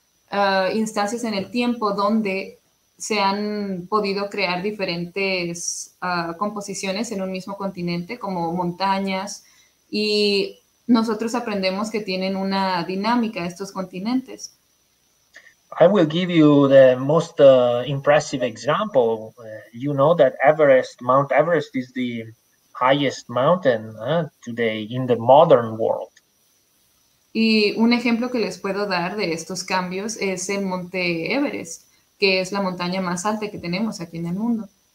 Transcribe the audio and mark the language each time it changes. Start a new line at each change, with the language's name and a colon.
Spanish: Ha habido instancias en el tiempo donde se han podido crear diferentes composiciones en un mismo continente, como montañas, y nosotros aprendemos que tienen una dinámica estos continentes.
English: I will give you the most impressive example. You know that Mount Everest is the highest mountain today in the modern world.
Spanish: Y un ejemplo que les puedo dar de estos cambios es el Monte Everest, que es la montaña más alta que tenemos aquí en el mundo.